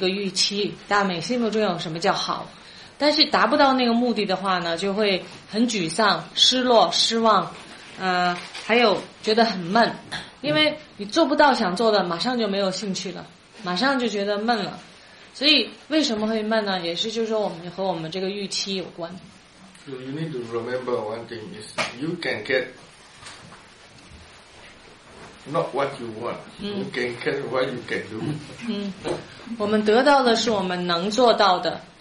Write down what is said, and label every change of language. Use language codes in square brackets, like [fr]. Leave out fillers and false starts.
[zh] 大家现在讲是不只是做事啊，就是说在做禅修的时候也是，因为我们每个人都想好好禅修，我们好好的禅修的时候呢，好，我们在开始的时候，在过程当中呢，都想好好做，那好的代表呢，就是有一个预期，大家每心目中有什么叫好。但是达不到那个目的的话呢，就会很沮丧、失落、失望，还有觉得很闷，因为你做不到想做的，马上就没有兴趣了，马上就觉得闷了。所以为什么会闷呢？也是就是说我们和我们这个预期有关。 [en] So you need to remember one thing is you can get not what you want, you can get what you can do. [zh] 我们得到的是我们能做到的。